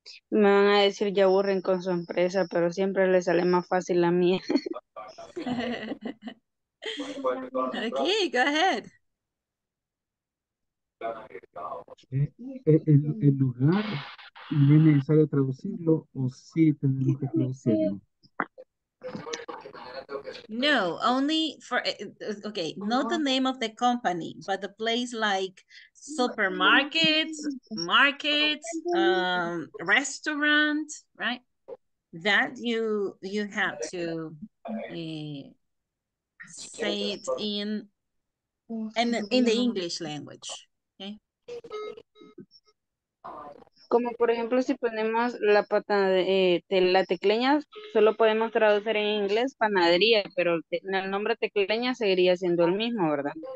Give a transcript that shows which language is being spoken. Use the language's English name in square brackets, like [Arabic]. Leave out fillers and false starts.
[Spanish] Me van a decir ya aburren con su empresa, pero siempre le sale más fácil la mía. [English] Okay, go ahead. [Spanish] El lugar no es necesario traducirlo o sí tenemos que traducirlo. [English] No, only for, okay, not the name of the company, but the place like supermarkets, markets, restaurant, right? That you have to say it in the English language, okay? [Spanish] Como por ejemplo, si ponemos la pata de la tecleña, solo podemos traducir en inglés panadería, pero el nombre tecleña seguiría siendo el mismo, ¿verdad?